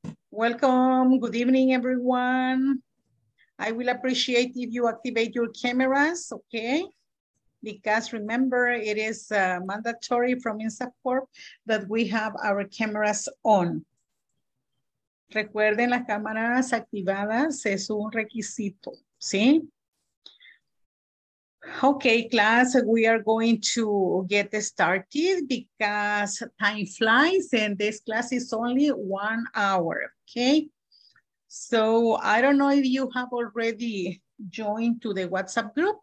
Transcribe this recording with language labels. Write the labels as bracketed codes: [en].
[en] Welcome, good evening, everyone. I will appreciate if you activate your cameras, okay? Because remember, it is mandatory from INSAFORP that we have our cameras on. [es] Recuerden, las cámaras activadas es un requisito, ¿sí? [en] Okay, class, we are going to get started because time flies and this class is only 1 hour, okay? So I don't know if you have already joined to the WhatsApp group.